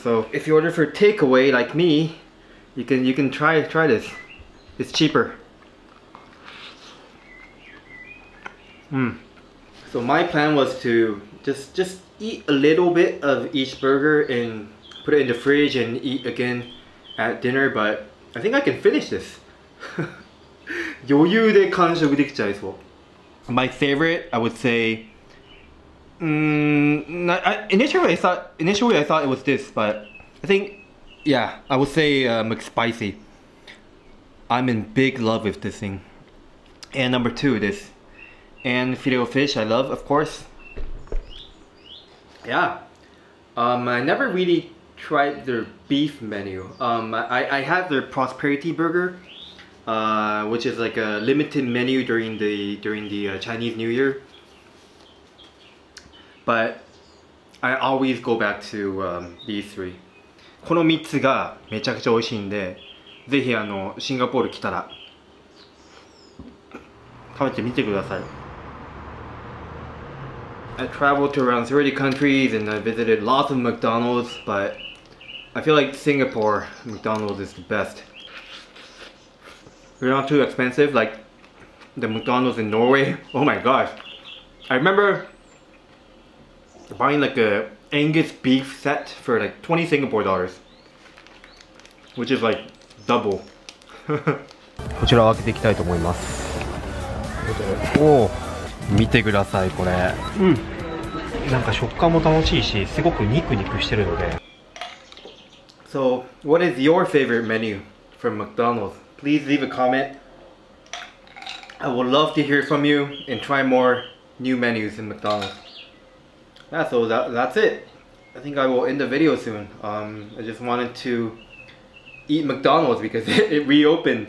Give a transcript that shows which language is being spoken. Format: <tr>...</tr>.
<en>So if you order for takeaway like me, you can try this. It's cheaper. So my plan was to just eat a little bit of each burger andPut it in the fridge and eat again at dinner, but I think I can finish this.</en> <ja>余裕で完食できちゃいそう。</ja> <en>My favorite, I would say, initially I thought it was this, but I think, yeah, I would say McSpicy. I'm in big love with this thing. And number two, this. And Filet-O-Fish, I love, of course. Yeah. I never really... tried their beef menu. I had their prosperity burger, which is like a limited menu during the Chinese New Year. But I always go back to these three.</en> <ja>この3つがめちゃくちゃ美味しいんで、ぜひシンガポール来たら食べてみてください。</ja> <en>I traveled to around 30 countries and I visited lots of McDonald's, butI feel like Singapore McDonald's is the best. They're not too expensive, like the McDonald's in Norway. Oh my gosh. I remember buying like a Angus beef set for like 20 Singapore dollars, which is like double.</en> <ja>こちらを開けていきたいと思います。おお、見てください、これ。なんか食感も楽しいし、すごく肉肉してるので。</ja> <en>So, what is your favorite menu from McDonald's? Please leave a comment. I would love to hear from you and try more new menus in McDonald's. Yeah, so that's it. I think I will end the video soon. I just wanted to eat McDonald's because it reopened.</en>